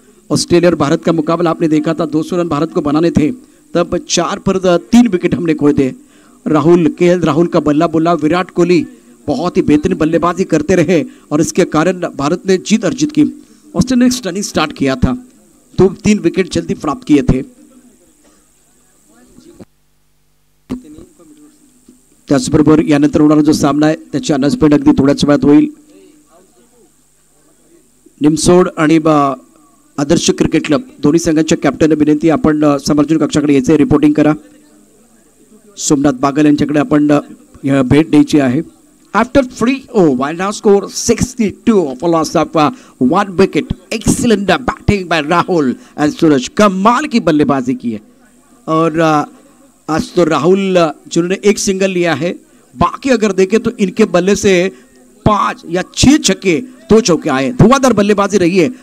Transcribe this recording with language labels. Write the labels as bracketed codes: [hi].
[hi] Australia और भारत का मुकाबला आपने देखा था, 200 रन भारत को बनाने थे, तब 4 पर 3 विकेट हमने खोए थे। राहुल केएल राहुल का बल्ला बोला, विराट कोहली बहुत ही बेहतरीन बल्लेबाजी करते रहे और इसके कारण भारत ने जीत अर्जित की। ऑस्ट्रेलिया ने स्टनिंग स्टार्ट किया था, 2-3 विकेट जल्दी प्राप्त किए थे। [mr] त्याचबरोबर यानंतर होणारा जो सामना आहे त्याची अनाउन्समेंट अगदी थोड्याच वेळात होईल। निमसोड आणि आदर्श क्रिकेट क्लब दोन्ही संघांच्या कॅप्टनला विनंती, आपण समर्थन कक्षाकडे यायचं आहे, रिपोर्टिंग करा। सोमनाथ बागल यांच्याकडे आपण भेट द्यायची आहे। [en] after 3-0 wild horse score 62 फिलोसफ, 1 wicket, excellent batting by Rahul and Suraj, [hi] कमाल की बल्लेबाजी की है। और आज तो राहुल जिन्होंने एक सिंगल लिया है, बाकी अगर देखें तो इनके बल्ले से 5 या 6 छक्के 2 चौके आए, धुआंधार बल्लेबाजी रही है।